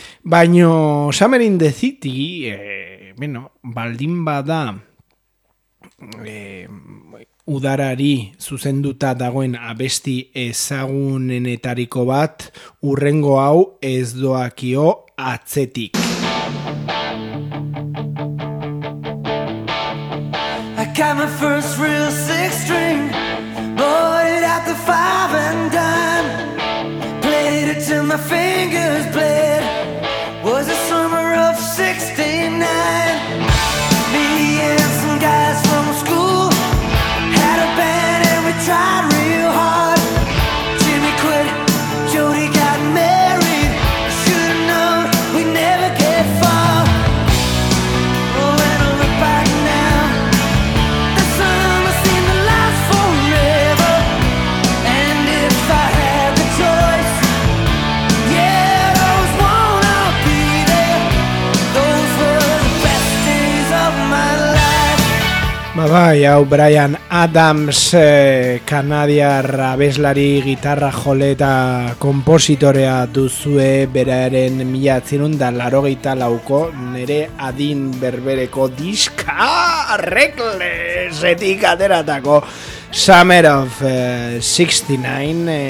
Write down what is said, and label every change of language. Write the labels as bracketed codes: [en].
[eu] Baino Summer in the City, bueno, baldin bada udarari zuzenduta dagoen abesti ezagunenetariko bat, urrengo hau ez doakio atzetik. [en] I got my first real six string, bought it at the five and dime, played it till my fingers bled, was the summer of 69. Me and some guys from school tried real hard. Jimmy quit, Jody got married. Should've known we'd never get far. Oh, and I look back now, the summer seemed to last forever. And if I had the choice, yeah, I'd always wanna be there. Those were the best days of my life. Bye-bye, yo, [eu] Brian Adams, kanadiar abeslari, gitarra jole eta kompositorea duzue, beraren 1984ko nere adin berbereko diska Reckless-etik ateratako Summer of 69,